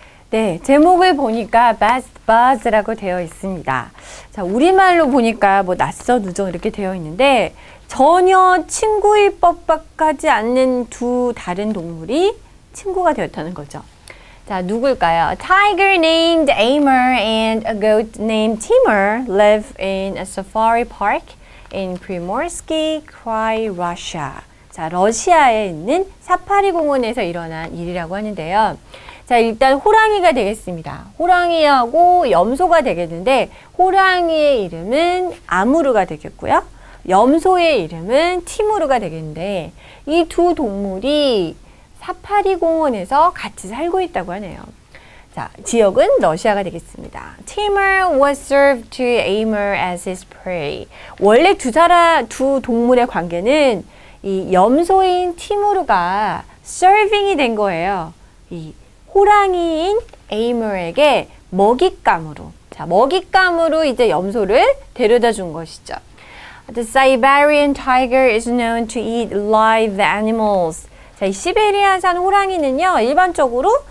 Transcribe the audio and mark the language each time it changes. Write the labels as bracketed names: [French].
[Korean] 네, 제목을 보니까 Best Buzz라고 되어 있습니다. 자, 우리말로 보니까 뭐 낯선 우정 이렇게 되어 있는데 전혀 친구일 법밖하지 않는 두 다른 동물이 친구가 되었다는 거죠. 자, 누굴까요? [English] Tiger named Amur and a goat named Timur live in a safari park in Primorsky Krai, Russia. [Korean] 자, 러시아에 있는 사파리 공원에서 일어난 일이라고 하는데요. 자, 일단 호랑이가 되겠습니다. 호랑이하고 염소가 되겠는데, 호랑이의 이름은 아무르가 되겠고요. 염소의 이름은 티무르가 되겠는데, 이두 동물이 사파리 공원에서 같이 살고 있다고 하네요. 자, 지역은 러시아가 되겠습니다. [English] Timur was served to Amur as his prey. [Korean] 원래 두 동물의 관계는 이 염소인 티무르가 serving이 된 거예요. 이 호랑이인 Amur에게 먹잇감으로. 자, 먹잇감으로 이제 염소를 데려다 준 것이죠. [English] The Siberian tiger is known to eat live animals. [Korean] 자, 이 시베리아산 호랑이는요, 일반적으로